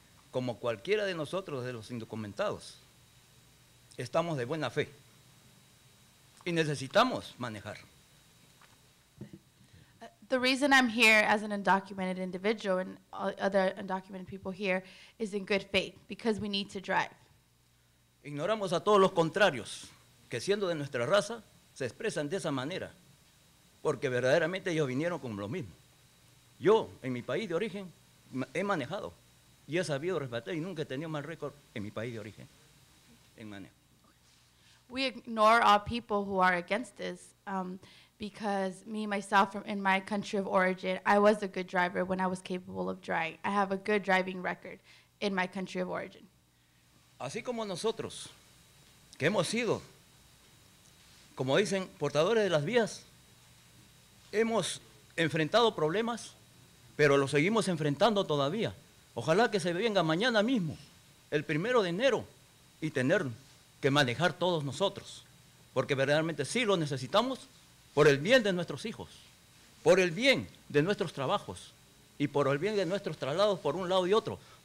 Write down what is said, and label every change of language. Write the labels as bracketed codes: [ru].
[es] como cualquiera de nosotros de los indocumentados, estamos de buena fe y necesitamos manejar. [en] The reason I'm here as an undocumented individual and other undocumented people here is in good faith, because we need to drive. [es] Ignoramos a todos los contrarios que, siendo de nuestra raza, se expresan de esa manera, porque verdaderamente ellos vinieron con lo mismo. Yo, en mi país de origen, he manejado y he sabido respetar y nunca he tenido mal récord en mi país de origen en manejo. [en] We ignore all people who are against this, because me, myself, in my country of origin, I was a good driver when I was capable of driving. I have a good driving record in my country of origin. [es] Así como nosotros, que hemos sido, como dicen, portadores de las vías, hemos enfrentado problemas, pero los seguimos enfrentando todavía. Ojalá que se venga mañana mismo, el primero de enero, y tener que manejar todos nosotros, porque verdaderamente sí lo necesitamos, por el bien de nuestros hijos, por el bien de nuestros trabajos y por el bien de nuestros traslados por un lado y otro.